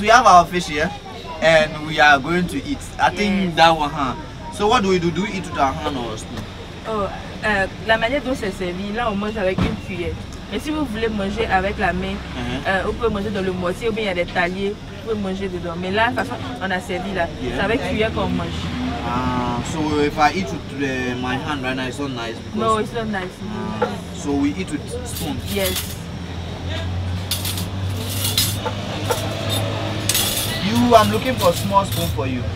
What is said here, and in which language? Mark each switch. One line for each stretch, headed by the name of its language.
English: We have our fish here and we are going to eat. I think that one, huh? So, what do we do? Do we eat with our hand or a spoon?
French: Oh, la manière dont c'est servi, là, on mange avec une cuillère. Mais si vous voulez manger avec la main, vous pouvez manger dans le moitié ou bien il y a des taliers, vous pouvez manger dedans. Mais là, de toute façon, on a servi là. Yeah. C'est avec cuillère qu'on mange.
English: So if I eat with my hand right now, it's not nice. No, it's not nice. So we eat with spoon. Yes. I'm looking for a small spoon for you.